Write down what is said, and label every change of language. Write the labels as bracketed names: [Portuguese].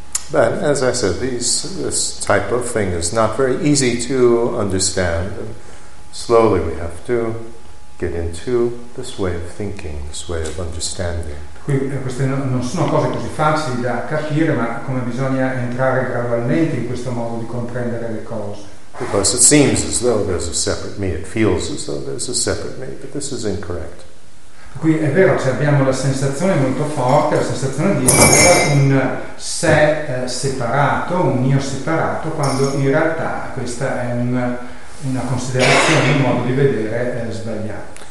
[English] But as I said, this type of thing is not very easy to understand. And slowly we have to get into this way of thinking, this way of understanding. [Italian] Queste non sono cose così facili da capire, ma come bisogna entrare gradualmente in questo modo di comprendere le cose. [English] Because it seems as though there's a separate me, it feels as though there's a separate me, but this is incorrect. [Italian] Qui è vero, cioè abbiamo la sensazione molto forte, la sensazione di essere un sé separato, un io separato, quando in realtà questa è una considerazione, un modo di vedere sbagliato.